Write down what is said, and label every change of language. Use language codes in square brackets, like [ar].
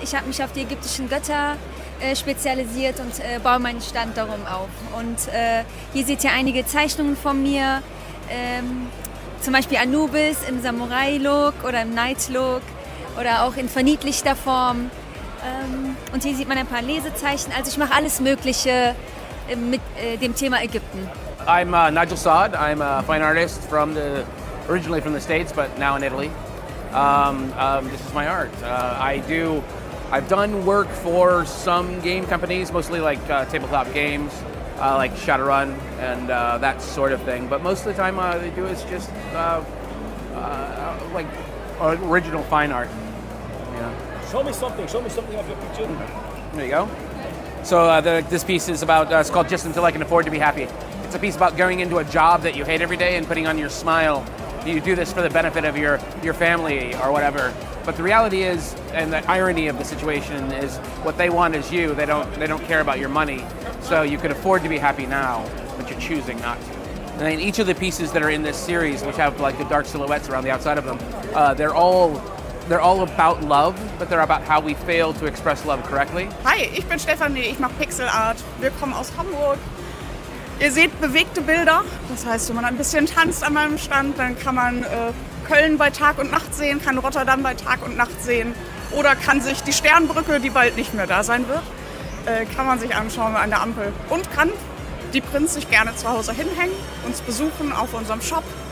[de] Ich habe mich auf die ägyptischen Götter spezialisiert und baue meinen Stand darum auf. Und hier seht ihr einige Zeichnungen von mir. zum Beispiel Anubis im Samurai-Look oder im Knight-Look oder auch in verniedlichter Form. Und hier sieht man ein paar Lesezeichen. Also ich mache alles Mögliche mit dem Thema Ägypten. [en] I'm Nigel Saad. I'm a fine artist from the originally from the States, but now in Italy. This is my art. I've done work for some game companies, mostly like tabletop games, like Shadowrun and that sort of thing. But most of the time, they do is just like original fine art. Yeah. Show me something of your picture. There you go. So this piece is about. It's called Just Until I Can Afford to Be Happy. It's a piece about going into a job that you hate every day and putting on your smile. You do this for the benefit of your family or whatever. But the reality is, and the irony of the situation is, what they want is you. They don't care about your money. So you could afford to be happy now, but you're choosing not to. And then each of the pieces that are in this series, which have like the dark silhouettes around the outside of them, they're all about love, but they're about how we fail to express love correctly. [de] Hi, ich bin Stefanie, ich mache Pixel Art. Wir kommen aus Hamburg. Ihr seht bewegte Bilder, das heißt, wenn man ein bisschen tanzt an meinem Stand, dann kann man Köln bei Tag und Nacht sehen, kann Rotterdam bei Tag und Nacht sehen oder kann sich die Sternbrücke, die bald nicht mehr da sein wird, kann man sich anschauen an der Ampel und kann die Prinz sich gerne zu Hause hinhängen, uns besuchen auf unserem Shop.